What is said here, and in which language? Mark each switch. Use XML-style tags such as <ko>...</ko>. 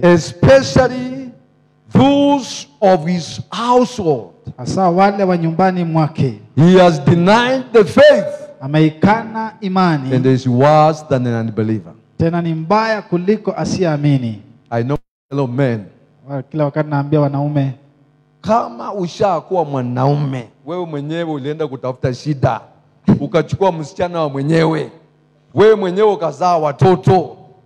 <en>Especially those of his household.</en> <sw>Asa wale wa nyumbani mwake.</sw> <en>He has denied the faith.</en> <sw>Ameikana imani.</sw> <en>And is worse than an unbeliever.</en> <sw>Tena ni mbaya kuliko asiamini.</sw> <en>I know fellow men.</en> <sw>Kila wakati naambia wanaume. Kama ushakuwa mwanaume, wewe mwenyewe ulienda kutafuta shida. Ukachukua msichana wa mwenyewe. Wewe mwenyewe ukazaa watoto.</sw>